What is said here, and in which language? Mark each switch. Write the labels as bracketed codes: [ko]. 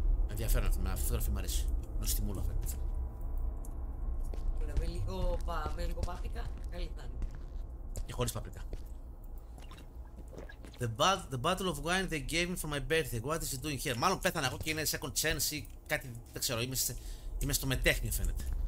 [el] Ενδιαφέρον αυτό, με αυτή τη φωτογραφία μου αρέσει. Νοστιμούλα αυτή. Βλέπω λίγο, με λίγο πάπικα, καλύτερα. Και χωρίς παπρικά. [en] The bottle of wine they gave me for my birthday. What is he doing here? [el] Μάλλον πέθανα εγώ και είναι [en] second chance [el] ή κάτι, δεν ξέρω. Είμαι στο μετέχνιο φαίνεται.